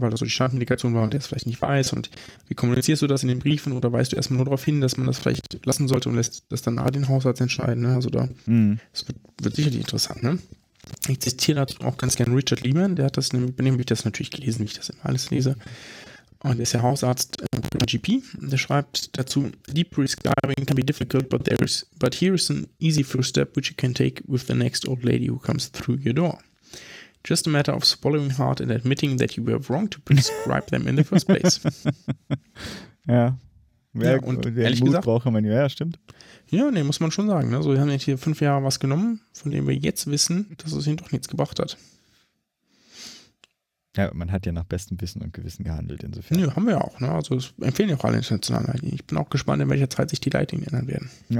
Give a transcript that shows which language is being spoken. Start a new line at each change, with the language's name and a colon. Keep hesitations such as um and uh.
German: Weil das so die Schadmedikation war und der es vielleicht nicht weiß. Und wie kommunizierst du das in den Briefen oder weißt du erstmal nur darauf hin, dass man das vielleicht lassen sollte und lässt das dann nachher den Hausarzt entscheiden, ne? Also da Mhm. Das wird, wird sicherlich interessant, ne? Ich zitiere dazu auch ganz gerne Richard Lehman, der hat das nämlich, bei dem habe ich das natürlich gelesen, wie ich das immer alles lese. Und er ist ja Hausarzt äh, beim GP. Und der schreibt dazu,
English: Deep prescribing can be difficult, but, there is, but here is an easy first step which you can take with the next old lady who comes through your door. Just a matter of swallowing hard and admitting that you were wrong to prescribe them in the first place.
German: Ja. Wer, Ja, und wer ehrlich Mut gesagt- braucht, kann man ja, ja, stimmt. Ja, nee, muss man schon sagen. Ne? So, wir haben jetzt hier fünf Jahre was genommen, von dem wir jetzt wissen, dass es ihnen doch nichts gebracht hat. Ja, man hat ja nach bestem Wissen und Gewissen gehandelt, insofern. Nö, haben wir ja auch. Ne? Also das empfehlen ja auch alle internationalen Leitlinien. Ich bin auch gespannt, in welcher Zeit sich die Leitlinien ändern werden.